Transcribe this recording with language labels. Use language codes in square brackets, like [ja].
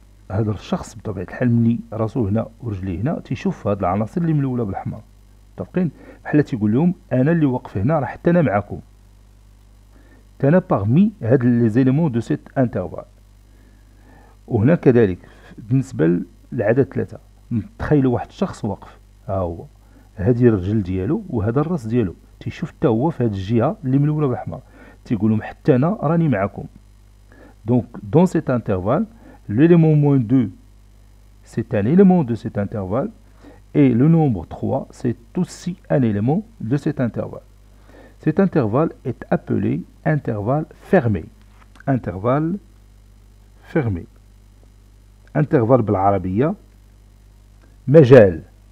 [ar] هذا الشخص بطبيعة الحال ملي راسو هنا ورجلي هنا تيشوف هاد العناصر اللي ملولة بالحمر متفقين بحال تيقول لهم انا اللي واقف هنا راه حتى انا معاكم حتى انا باغمي هاد [fr] لي زيليمون دو سيت انترفال [ar] وهنا كذلك بالنسبة للعدد ثلاثة نتخيلوا واحد الشخص واقف ها هو هادي الرجل ديالو وهذا الراس ديالو تيشوف حتى هو في هاد الجهة اللي ملولة بالحمر تيقول لهم حتى انا راني معاكم [fr] Donc, dans cet intervalle, l'élément moins 2, c'est un élément de cet intervalle, et le nombre 3, c'est aussi un élément de cet intervalle. Cet intervalle est appelé intervalle fermé. Intervalle fermé. [ar] Intervalle بالعربية مجال.